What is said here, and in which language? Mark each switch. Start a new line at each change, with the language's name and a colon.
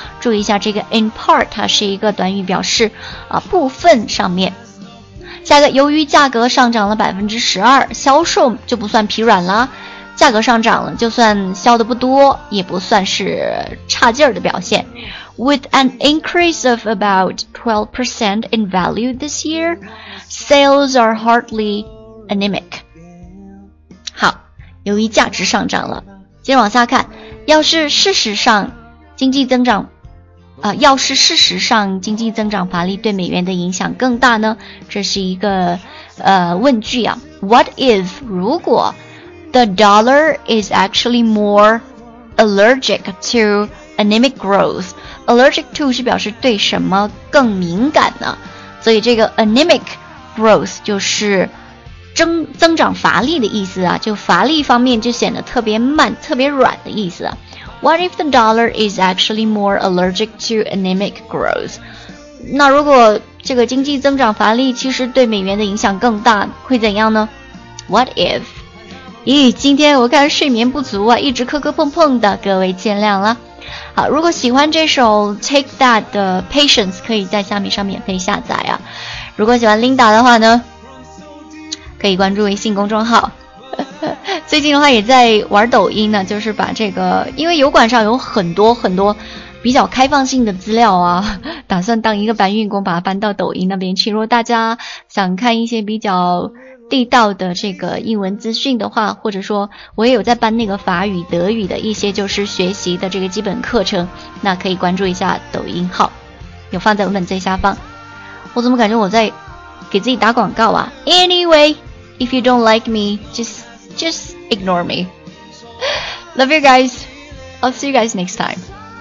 Chinese: 注意一下这个 in part, 它是一个短语表示啊部分上面。下一个，由于价格上涨了 12%, 销售就不算疲软了。价格上涨了，就算销的不多，也不算是差劲儿的表现。
English: With an increase of about 12% in value this year, sales are hardly anemic.
Chinese: 好，由于价值上涨了。接着往下看，要是事实上经济增长乏力对美元的影响更大呢？这是一个问句啊。
English: What if,
Chinese: 如果
English: the dollar is actually more allergic to anemic growth?
Chinese: Allergic to 是表示对什么更敏感呢？所以这个 anemic growth 就是增长乏力的意思啊，就乏力方面就显得特别慢，特别软的意思啊。
English: What if the dollar is actually more allergic to anemic growth?
Chinese: 那如果这个经济增长乏力其实对美元的影响更大，会怎样呢？
English: What if?
Chinese: 咦，今天我看睡眠不足啊，一直磕磕碰碰的，各位见谅了。好，如果喜欢这首 Take That 的 Patience, 可以在虾米上免费下载啊。如果喜欢 Linda 的话呢，可以关注微信公众号。最近的话也在玩抖音呢，就是把这个，因为油管上有很多很多比较开放性的资料啊，打算当一个搬运工把它搬到抖音那边去。如果大家想看一些比较地道的这个英文资讯的话，或者说我也有在搬那个法语德语的一些就是学习的这个基本课程，那可以关注一下抖音号，有放在文本最下方。我怎么感觉我在给自己打广告啊。
English: Anyway, if you don't like me, just ignore me. Love you guys. I'll see you guys next time.